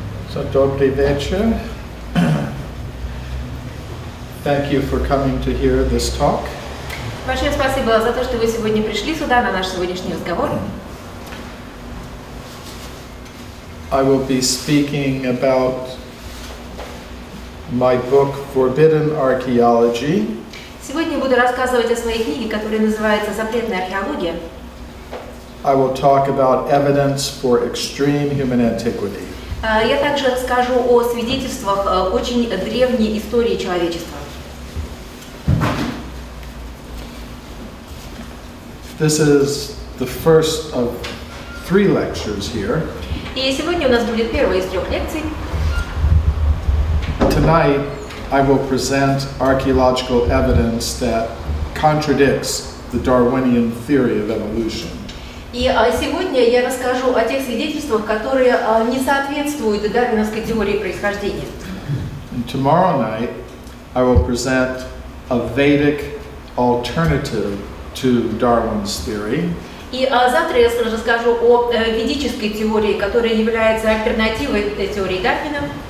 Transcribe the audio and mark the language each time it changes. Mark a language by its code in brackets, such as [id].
[en] So, [ru] Dobry Vecher, [en] thank you for coming to hear this talk. [ru] Большое спасибо за то, что вы сегодня пришли сюда на наш сегодняшний разговор. [en] I will be speaking about my book Forbidden Archeology. [ru] Сегодня буду рассказывать о своей книге, которая называется «Запретная археология». [en] I will talk about evidence for extreme human antiquity. [ru] Я также расскажу о свидетельствах очень древней истории человечества. [en] This is the first of three lectures here. [ru] И сегодня у нас будет первая из трех лекций. [en] Tonight I will present archaeological evidence that contradicts the Darwinian theory of evolution. [ru] И сегодня я расскажу о тех свидетельствах, которые не соответствуют дарвиновской теории происхождения. [en] And tomorrow night I will present a Vedic alternative to Darwin's theory. [ru] И завтра я расскажу о ведической теории, которая является альтернативой теории Дарвина.